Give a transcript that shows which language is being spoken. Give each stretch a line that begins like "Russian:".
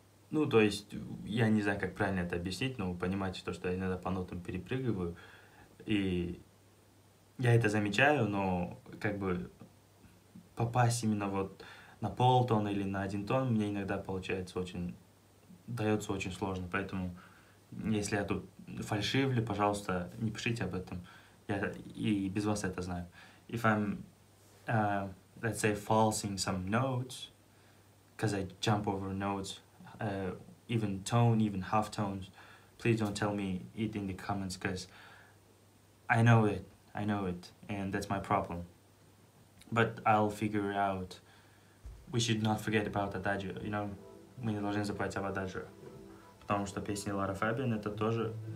Russian: Ну, то есть, я не знаю, как правильно это объяснить, но вы понимаете то, что я иногда по нотам перепрыгиваю, и я это замечаю, но как бы попасть именно вот на полтона или на один тон мне иногда получается очень, дается очень сложно, поэтому если я тут фальшивлю, пожалуйста, не пишите об этом, я и без вас это знаю.
English: If I'm, let's say, falsing some notes, because I jump over notes, even tone, even half tones, please don't tell me it in the comments, because I know it, and that's my problem. But I'll figure it out. We should not forget about adagio, you know?
Russian: Мы не должны забывать об adagio. Потому что песни Лары Фабиан — это тоже...